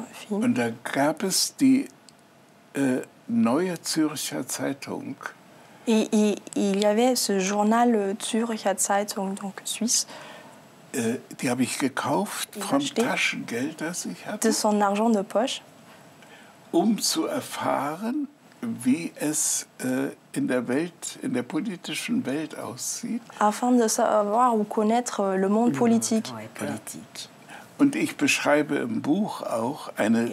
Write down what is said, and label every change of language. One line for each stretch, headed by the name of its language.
German: Und da gab es die Neue Zürcher Zeitung.
French: Et il y avait ce journal Zürcher Zeitung, donc suisse.
German: Die habe ich gekauft vom Taschengeld, das ich hatte.
French: De son argent de poche.
German: Um zu erfahren, wie es in der Welt, in der politischen Welt aussieht.
French: Afin de savoir ou connaître le monde politique. Ja, politique.
German: Und ich beschreibe im Buch auch eine.